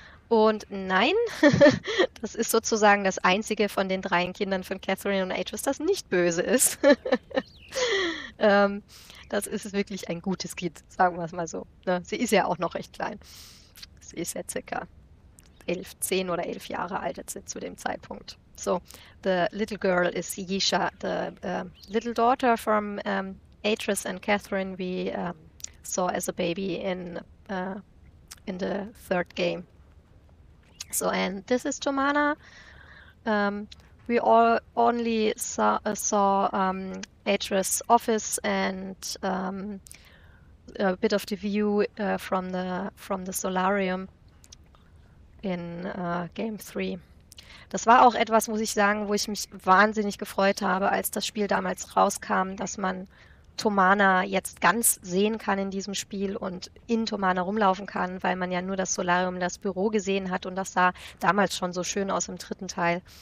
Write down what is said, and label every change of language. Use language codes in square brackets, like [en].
[de] Und nein, das ist sozusagen das einzige von den dreien Kindern von Catherine und Atreus, das nicht böse ist. Das ist wirklich ein gutes Kind, sagen wir es mal so. Ne? Sie ist ja auch noch recht klein. Sie ist ja circa 11, 10 oder 11 Jahre alt jetzt zu dem Zeitpunkt. [en] So, the little girl is Yisha, the little daughter from Atreus and Catherine we saw as a baby in the third game. So, and this is Tomana. We all only saw Atris' office and a bit of the view from the Solarium in Game 3. [de] Das war auch etwas, muss ich sagen, wo ich mich wahnsinnig gefreut habe, als das Spiel damals rauskam, dass man Tomana jetzt ganz sehen kann in diesem Spiel und in Tomana rumlaufen kann, weil man ja nur das Solarium, das Büro gesehen hat und das sah damals schon so schön aus im dritten Teil.